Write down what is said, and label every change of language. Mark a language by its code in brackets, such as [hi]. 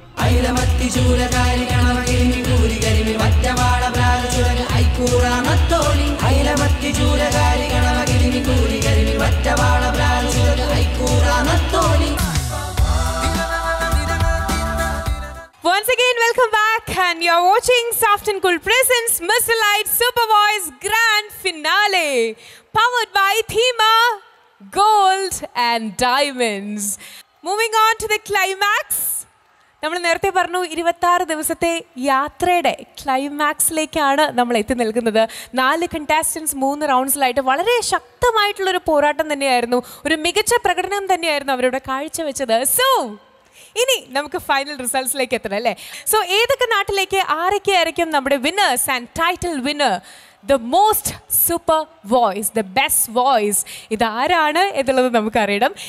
[ml] ഐലമത്തി ചൂല കാരി കണവകിലി കൂരി കരിമി വറ്റവാള ബ്രാല ചുരൽ ഐക്കൂറ മത്തോളി ഐലമത്തി ചൂല കാരി കണവകിലി കൂരി കരിമി വറ്റവാള ബ്രാല ചുരൽ ഐക്കൂറ മത്തോളി. [en] Once again, welcome back and you're watching Soften Cool Presents Mr. Light Super Voice Grand Finale powered by Thema Gold and Diamonds. Moving on to the climax. [ml] നമ്മൾ നേരത്തെ പറഞ്ഞു 26 ദിവസത്തെ യാത്രയുടെ ക്ലൈമാക്സിലേക്കാണ് നമ്മൾ എത്തി നിൽക്കുന്നത്. 4 കണ്ടസ്റ്റൻസ് 3 റൗണ്ട്സിലായിട്ട് വളരെ ശക്തമായിട്ടുള്ളൊരു പോരാട്ടം തന്നെയായിരുന്നു, ഒരു മികച്ച പ്രകടനം തന്നെയായിരുന്നു അവരോട് കാഴ്ചവെച്ചത്. സോ ഇനി നമുക്ക് ഫൈനൽ റിസൾട്ട്സിലേക്ക് എത്തണം അല്ലേ. സോ ഏതൊക്കെ നാട്ടിലേക്ക് ആരൊക്കെ ആയിരിക്കും നമ്മുടെ winners and title winner, [en] the most super voice, the best voice, [ml] ഇതാരാണ് എന്നുള്ളത് നമുക്ക് അറിയണം.